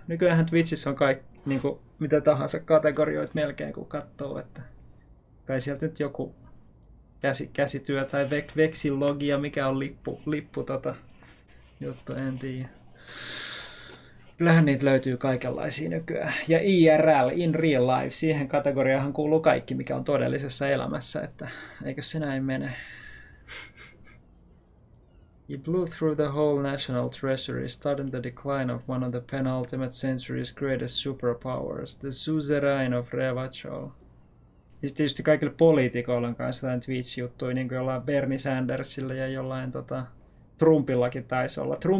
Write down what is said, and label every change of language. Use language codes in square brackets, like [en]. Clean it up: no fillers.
[fi] Nykyäänhän Twitchissä on kaikki, niin kuin mitä tahansa kategorioit melkein, kun katsoo, että kai sieltä nyt joku käsityö tai veksilogia, mikä on lippu tota juttu, en tiedä. Kyllähän niitä löytyy kaikenlaisia nykyään. Ja IRL, [en] in real life, [fi] siihen kategoriaan kuuluu kaikki, mikä on todellisessa elämässä, että eikö se näin mene? [en] He blew through the whole national treasury, starting the decline of one of the penultimate century's greatest superpowers, the suzerain of Revachol. [fi] Ja sitten tietysti kaikille poliitikoille on kanssa jotain Twitch-juttuja, niin kuin jollain Bernie Sandersille ja jollain tota, Trumpillakin taisi olla.